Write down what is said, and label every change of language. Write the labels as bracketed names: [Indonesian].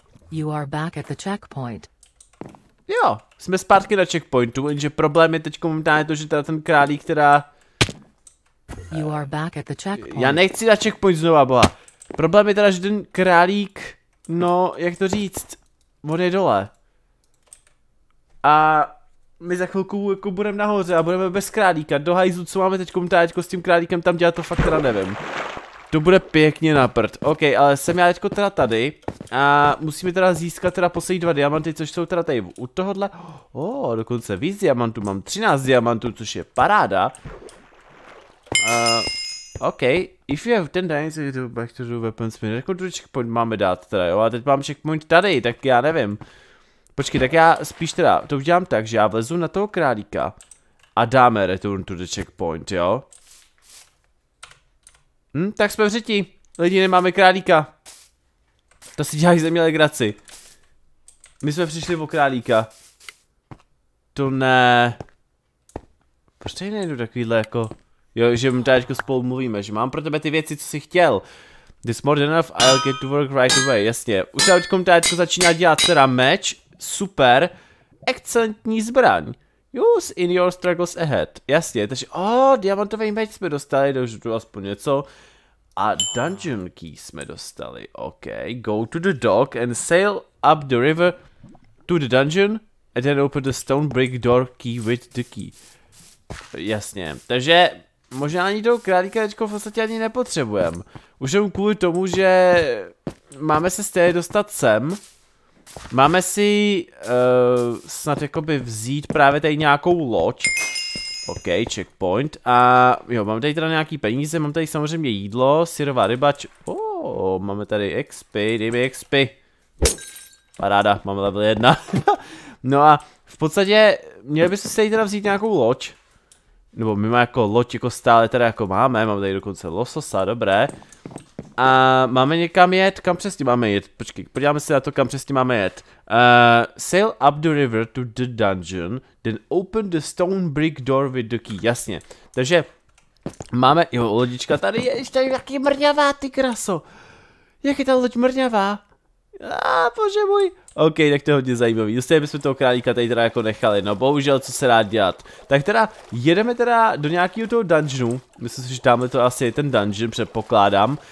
[English] You are back at the checkpoint. [Czech] Jo, jsme zpátky na checkpointu, jenže problém je teď momentálně to, že teda ten králík, která... [English] You are back at the checkpoint. [Czech] Já nechci na checkpoint znova, boha. Problém je teda, že ten králík, no, jak to říct, on je dole. A my za chvilku jako budeme nahoře a budeme bez králíka. Do hajzu, co máme teď teďko s tím králíkem tam dělat, to fakt teda nevím. To bude pěkně na prd. Ok, ale jsem já teďko teda tady a musíme teda získat teda poslední dva diamanty, což jsou teda tady u tohohle. Oh, dokonce víc diamantů, mám 13 diamantů, což je paráda. [English] Ok, if you have 10 diamonds, you go back to the weapon spin. Record to checkpoint [Czech] máme dát teda, jo, a teď mám checkpoint tady, tak já nevím. Počkej, tak já spíš teda to udělám tak, že já vlezu na toho králíka a dáme [English] return to the checkpoint, [Czech] jo. Tak jsme v řeti, lidi, nemáme králíka. To si dělají ze mě legraci. My jsme přišli o králíka. To ne. Proč tady nejdu takovýhle jako... Jo, že my tady spolu mluvíme, že mám pro tebe ty věci, co jsi chtěl. [English] This more than enough, I'll get to work right away, [Czech] jasně. Už tady začíná dělat teda meč, super, excelentní zbraň. [English] Use in your struggles ahead, [Czech] jasně, takže, diamantový meč jsme dostali, takže tu aspoň něco. [English] A dungeon key [Czech] jsme dostali, [English] ok, go to the dock and sail up the river to the dungeon and then open the stone brick door key with the key. [Czech] Jasně, takže... Možná ani toho králíka teďko v podstatě ani nepotřebujeme. Už jen kvůli tomu, že máme se stejně dostat sem. Máme si snad jakoby vzít právě tady nějakou loď. Ok, checkpoint. A jo, mám tady teda nějaký peníze, mám tady samozřejmě jídlo, syrová rybač. Máme tady XP, dej mi XP. Paráda, máme level 1. No a v podstatě měli bychom si teda vzít nějakou loď. Nebo my máme jako loď jako stále teda jako máme tady dokonce lososa, dobré. A máme někam jet? Kam přesně máme jet? Počkej, podíváme se na to, kam přesně máme jet. [English] Sail up the river to the dungeon, then open the stone brick door with the key. [Czech] Jasně. Takže máme, jo, lodička tady je, ještě jaký mrňavá, ty kraso. Jak je ta loď mrňavá? Bože můj. OK, tak to je hodně zajímavý. Dostali bychom toho králíka tady teda jako nechali. No bohužel, co se dá dělat. Tak teda, jedeme teda do nějakého toho dungeonu. Myslím si, že tamhle to asi je ten dungeon, předpokládám.